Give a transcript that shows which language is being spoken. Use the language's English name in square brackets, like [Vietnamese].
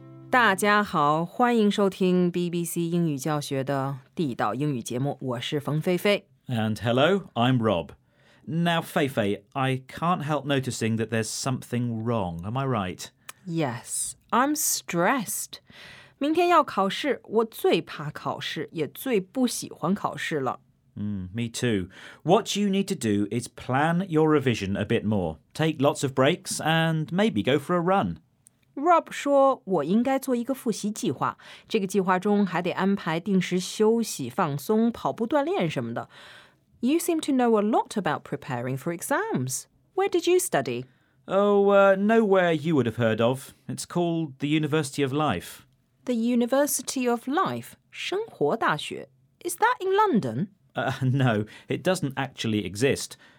[Chinese] 大家好，欢迎收听 BBC 英语教学的地道英语节目，我是冯菲菲。 [English] And hello, I'm Rob. Now, Feifei, I can't help noticing that there's something wrong. Am I right? Yes, I'm stressed. [Chinese] 明天要考试，我最怕考试，也最不喜欢考试了。 [English] Me too. What you need to do is plan your revision a bit more. Take lots of breaks and maybe go for a run. [Chinese] Rob 说我应该做一个复习计划，这个计划中还得安排定时休息、放松、跑步锻炼什么的。 [English] You seem to know a lot about preparing for exams. Where did you study? Nowhere you would have heard of. It's called the University of Life. The University of Life, [Chinese] 生活大学. [English] Is that in London? No, it doesn't actually exist.